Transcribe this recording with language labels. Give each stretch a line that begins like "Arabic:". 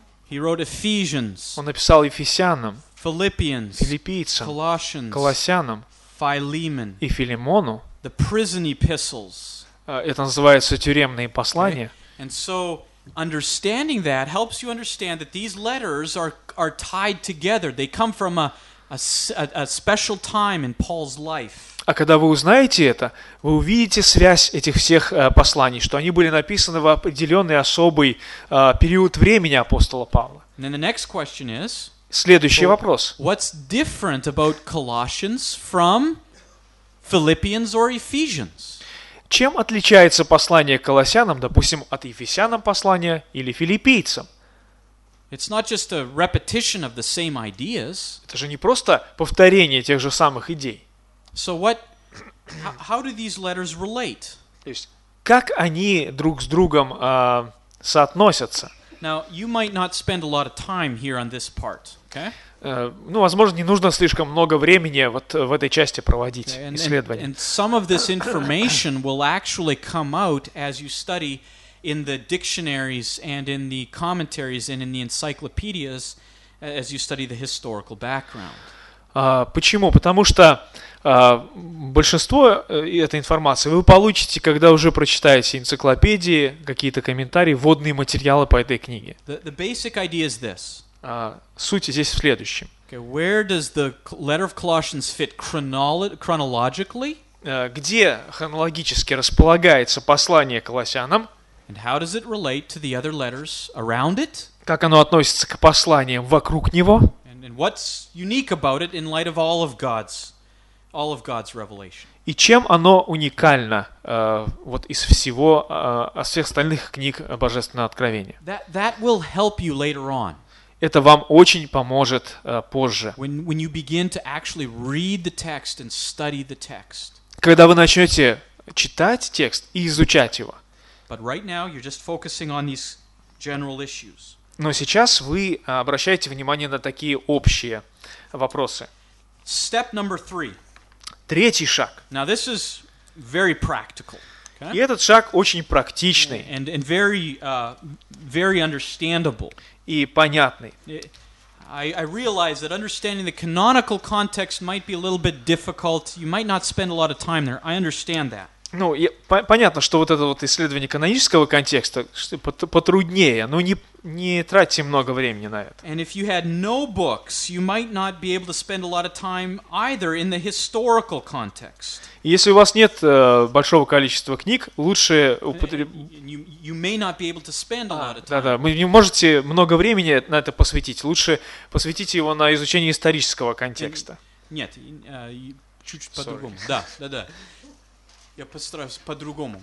English: He wrote Ephesians.
Russian: Он написал Ефесянам.
English: Philippians,
Russian: Филиппийцам,
English: Colossians,
Russian: Колоссянам,
English: Philemon,
Russian: и Филимону.
English: The prison epistles.
Russian: Это называется тюремные послания.
English: Okay. And so understanding that helps you understand that these letters are tied together. They come from a special time in Paul's life.
Russian: А когда вы узнаете это, вы увидите связь этих всех посланий, что они были написаны в определенный особый период времени апостола Павла.
English: And then the next question is.
Russian: Следующий вопрос.
English: What's different about Colossians from Philippians or Ephesians?
Russian: Чем отличается послание Колоссянам, допустим, от Ефесянам послания или Филиппийцам?
English: It's not just a repetition of the same ideas.
Russian: Это же не просто повторение тех же самых идей.
English: So what? How do these letters relate?
Russian: То есть, как они друг с другом соотносятся?
English: Now you might not spend a lot of time here on this part, okay?
Russian: Ну, возможно, не нужно слишком много времени вот в этой части проводить исследования.
English: And some of this information will actually come out as you study in the dictionaries and in the commentaries and in the encyclopedias as you study the historical background.
Russian: Почему? Потому что большинство этой информации вы получите, когда уже прочитаете энциклопедии, какие-то комментарии, вводные материалы по этой книге.
English: The basic idea is this.
Russian: Суть здесь в следующем.
English: Okay, where does the letter of Colossians fit chronologically?
Russian: Где хронологически располагается послание Колоссянам?
English: And how does it relate to the other letters around it?
Russian: Как оно относится к посланиям вокруг него?
English: And what's unique about it in light of all of God's revelation?
Russian: И чем оно уникально вот из всего из всех остальных книг Божественного Откровения?
English: That will help you later on.
Russian: Это вам очень поможет позже.
English: When you begin to actually read the text and study the text.
Russian: Когда вы начнете читать текст и изучать его.
English: But right now you're just focusing on these general issues.
Russian: Но сейчас вы обращаете внимание на такие общие вопросы.
English: Step number three.
Russian: Третий шаг.
English: Now this is very practical.
Russian: И этот шаг очень практичный.
English: And very, very understandable.
Russian: И понятный.
English: I realize that understanding the canonical context might be a little bit difficult. You might not spend a lot of time there. I understand that.
Russian: Ну, понятно, что вот это вот исследование канонического контекста потруднее, но не тратьте много времени на это. And if you had no books, you might not be able to spend a lot of time either in the historical context. Если у вас нет большого количества книг, лучше вы не можете много времени на это посвятить. Лучше посвятите его на изучение исторического контекста. Нет, чуть-чуть по-другому. Да. Я постараюсь по-другому.